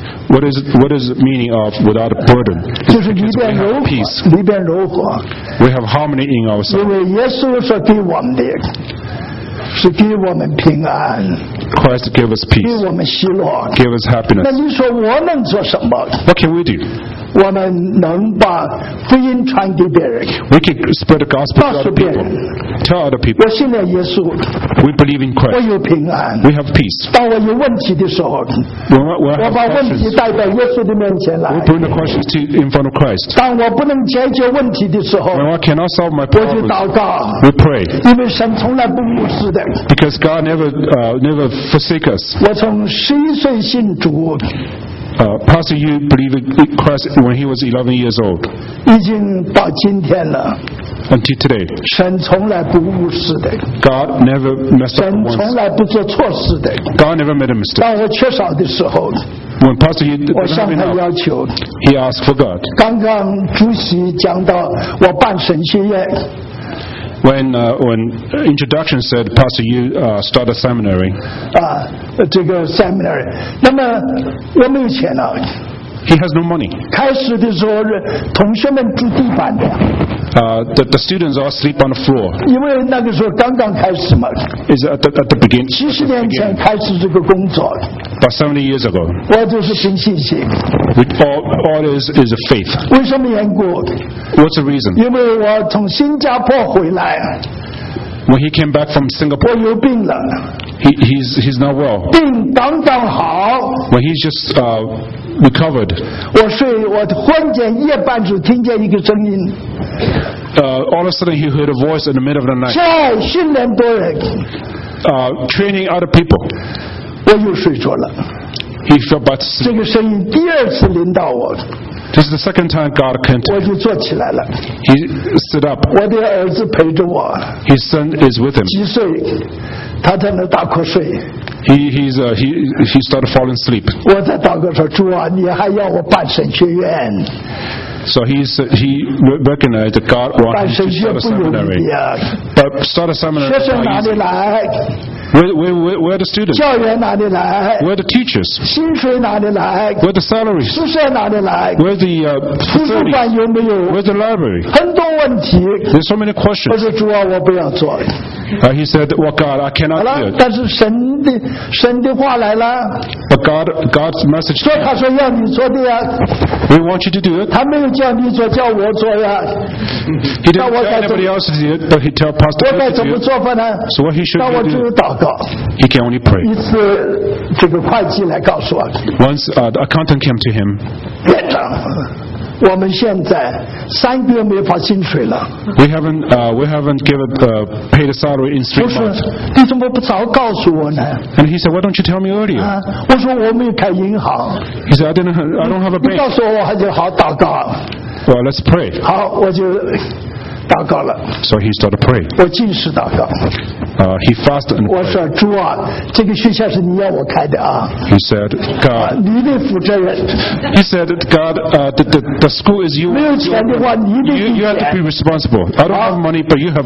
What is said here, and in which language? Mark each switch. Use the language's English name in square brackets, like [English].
[English] What is the meaning of without a burden? [Chinese] 就是里边柔和。里边柔和。 [English] We have harmony in ourselves. [Chinese] 因为耶稣说给我们的，是给我们平安。 [English] Christ gave us peace. [Chinese] 给我们喜乐。 [English] Give us happiness. [Chinese] 那你说我能做什么 [English] ？What can we do? [Chinese] 我们能把福音传给别人。 [English] We can spread the gospel to other people. Tell other people. [Chinese] 我信了耶稣。 [English] We believe in Christ. [Chinese] 我有平安。 [English] We have peace. [Chinese] 当我有问题的时候， [English] we'll [Chinese] 我把问题带到耶稣的面前来。 [English] We bring the questions to in front of Christ. [Chinese] 当我不能解决问题的时候， [English] when I cannot solve my problems, [Chinese] 我就祷告。 [English] We pray. [Chinese] 因为神从来不误事的。 [English] Because God never forsake us. [Chinese] 我从11岁信主。 [English] Pastor, you believe in Christ when he was 11 years old. [Chinese] 已经到今天了。 [English] Until today. [Chinese] 神从来不误事的。 [English] God never messed up once. [Chinese] 神从来不做错事的。 [English] God never made a mistake. [Chinese] 当我缺少的时候。 [English] When Pastor, you didn't have enough. [Chinese] 我向他要求。 [English] He asked for God. [Chinese] 刚刚主席讲到我办神学院。 [English] When introduction said, Pastor, you start a seminary. [Chinese] 啊，这个 seminary. 那么我没有钱了。 [English] He has no money. [Chinese] 开始的时候，同学们住地板的。 [English] The students all sleep on the floor. [Chinese] 因为那个时候刚刚开始嘛。 [English] Is at the beginning. [Chinese] 七十年前开始这个工作。 [English] About 70 years ago. [Chinese] 我就是凭信心。 [English] With all is a faith. [Chinese] 为什么缘故？ [English] What's the reason? [Chinese] 因为我从新加坡回来。 [English] When he came back from Singapore. [Chinese] 我有病了。 [English] He's not well. [Chinese] 病刚刚好。 [English] When he's just recovered. [Chinese] 我睡，我忽然间夜半时听见一个声音。 [English] All of a sudden he heard a voice in the middle of the night. [Chinese] 在训练多人。 [English] Training other people. [Chinese] 我又睡着了。 [English] He fell back to sleep. [Chinese] 这个声音第二次临到我。 [English] This is the second time God came to him. [Chinese] 我就坐起来了。 [English] He stood up. [Chinese] 我的儿子陪着我。 [English] His son is with him. [Chinese] 几岁？他在那大瞌睡。 [English] He started falling asleep. [Chinese] 我在祷告说，主啊，你还要我办神学院？ [English] So he recognized that God wanted him to start a seminary. But start a seminary. [Chinese] 学生哪里来？ [English] Where are the students? [Chinese] 教员哪里来？ [English] Where are the teachers? [Chinese] 薪水哪里来？ [English] Where are the salaries? [Chinese] 宿舍哪里来？ [English] Where are the facilities? [Chinese] 图书馆有没有？ [English] Where's the library? [Chinese] 很多问题。 [English] There's so many questions. [Chinese] 我说主啊，我不要做。 [English] He said, "Well, God, I cannot do it." [Chinese] 但是神的话来了。 [English] But God's message. [Chinese] 说他说要你做的呀。 [English] We want you to do it. [Chinese] 他没有叫你做，叫我做呀。 [English] He didn't tell anybody else to do it, but he told Pastor. [Chinese] 我该怎么做法呢？ [English] So what he should do? [Chinese] 那我只有祷告。 [English] He can only pray. [Chinese] 一次，这个会计来告诉我。 [English] Once the accountant came to him. [Chinese] 院长。我们现在三个月没发薪水了。 [English] We haven't given paid a salary in 3 months. [Chinese] 不是，你怎么不早告诉我呢？ [English] And he said, why don't you tell me earlier? [Chinese] 我说我没有开银行。 [English] He said, I don't have a bank. [Chinese] 你告诉我，我还就好祷告。 [English] Well, let's pray. [Chinese] 好，我就祷告了。 [English] So he started praying. [Chinese] 我进食祷告。 [English] He fasted and prayed. [Chinese] 我说主啊，这个学校是你要我开的啊。 [English] He said, God. [Chinese] 你得负责任。 [English] He said, God, the school is you. [Chinese] 没有钱的话，你得负责。 [English] You have to be responsible. I don't have money, but you have.